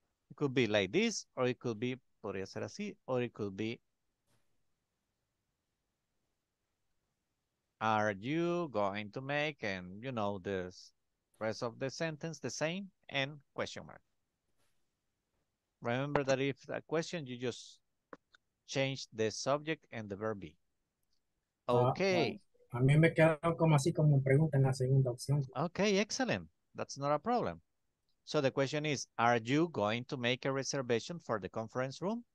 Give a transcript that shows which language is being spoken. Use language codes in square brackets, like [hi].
[en] It could be like this, or it could be, podría ser así, or it could be, are you going to make, and you know, the rest of the sentence the same, and question mark. Remember that if a question, you just change the subject and the verb be. Okay. [es] A mí me quedaron como así, como pregunta en la segunda opción. [en] Okay, excellent. That's not a problem. So the question is, are you going to make a reservation for the conference room?